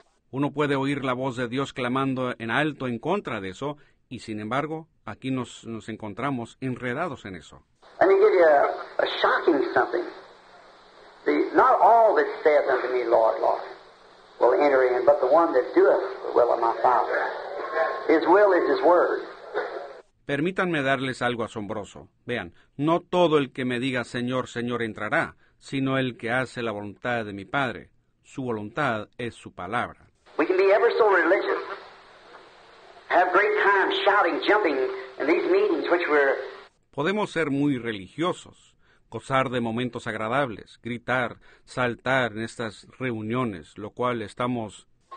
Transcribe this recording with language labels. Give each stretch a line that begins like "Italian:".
Spanish: Uno puede oír la voz de Dios clamando en alto en contra de eso y sin embargo, aquí nos encontramos enredados en eso.
English: Let me give you a shocking something. Not all that saith unto me, Lord, Lord, will enter in, but the one that doeth the will of my Father. His will is his word.
Spanish: Permítanme darles algo asombroso. Vean, no todo el que me diga Señor, Señor entrará, sino el que hace la voluntad de mi Padre. Su voluntad es su palabra.
English: We can be ever so religious, have great time shouting, jumping in these meetings which we're...
Spanish: Podemos ser muy religiosos. Gozar de momentos agradables, gritar, saltar en estas reuniones, lo cual estamos...